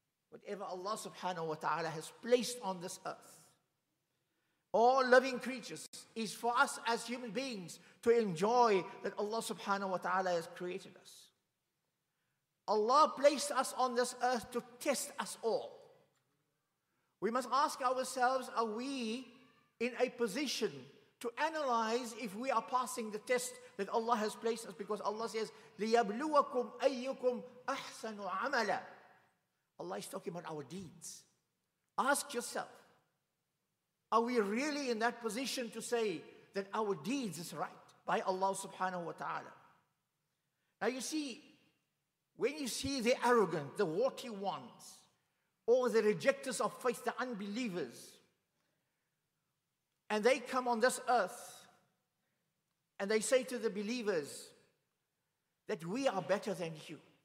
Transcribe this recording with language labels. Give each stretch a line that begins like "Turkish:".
English: Whatever Allah subhanahu wa ta'ala has placed on this earth, all living creatures, is for us as human beings to enjoy that Allah subhanahu wa ta'ala has created us. Allah placed us on this earth to test us all. We must ask ourselves, are we in a position to analyze if we are passing the test that Allah has placed us? Because Allah says,
Arabic: لِيَبْلُوَكُمْ أَيُّكُمْ أَحْسَنُ عَمَلًا.
English: Allah is talking about our deeds. Ask yourself, are we really in that position to say that our deeds is right by Allah subhanahu wa ta'ala? Now you see, when you see the arrogant, the haughty ones, or the rejecters of faith, the unbelievers, and they come on this earth and they say to the believers that we are better than you.